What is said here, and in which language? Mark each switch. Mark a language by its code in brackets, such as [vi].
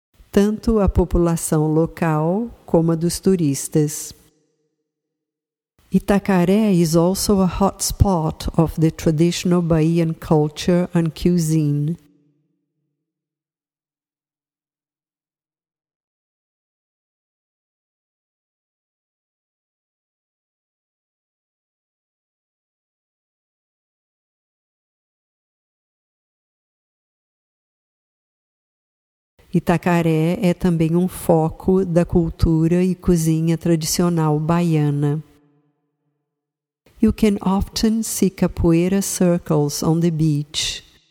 [pt] Tanto a população local como a dos turistas. [en] Itacaré is also a hotspot of the traditional Bahian culture and cuisine. [pt] Itacaré é também foco da cultura e cozinha tradicional baiana. [en] You can often see capoeira circles on the beach.